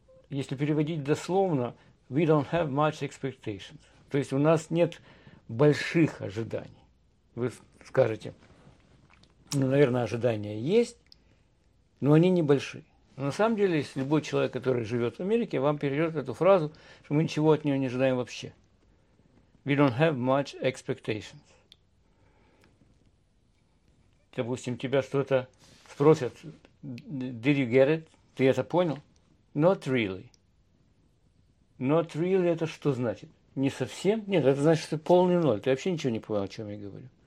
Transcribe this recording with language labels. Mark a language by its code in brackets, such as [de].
[ru] Если переводить дословно [en] «we don't have much expectations», [ru] то есть у нас нет больших ожиданий. Вы скажете, ну, наверное, ожидания есть, но они небольшие. Но на самом деле, если любой человек, который живет в Америке, вам переведет эту фразу, что мы ничего от нее не ожидаем вообще. [en] We don't have much expectations. [ru] Допустим, тебя что-то спросят, [en] did you get it? [ru] Ты это понял? [en] Not really. Not really [ru] — это что значит? Не совсем? Нет, это значит, что полный ноль. Ты вообще ничего не понял, о чем я говорю.